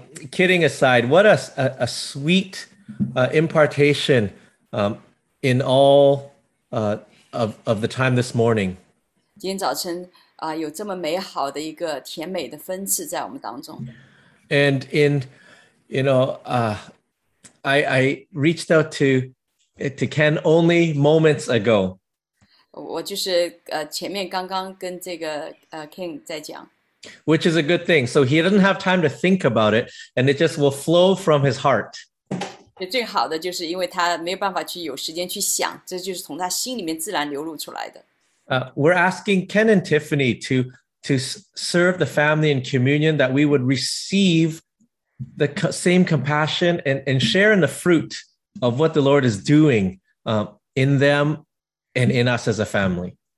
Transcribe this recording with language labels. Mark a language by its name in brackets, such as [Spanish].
[English] Kidding aside, what a sweet impartation in all of the time this morning. [Chinese] 今天早晨, 有这么美好的一个甜美的分次在我们当中。 [English] And in, you know, I reached out to Ken only moments ago. [Chinese] 我就是, 前面刚刚跟这个, Ken在讲。 [English] Which is a good thing. So he doesn't have time to think about it, and it just will flow from his heart. [Chinese] 最好的就是因为他没有办法去有时间去想, 这就是从他心里面自然流露出来的。 [English] We're asking Ken and Tiffany to serve the family in communion, that we would receive the same compassion and share in the fruit of what the Lord is doing in them and in us as a family.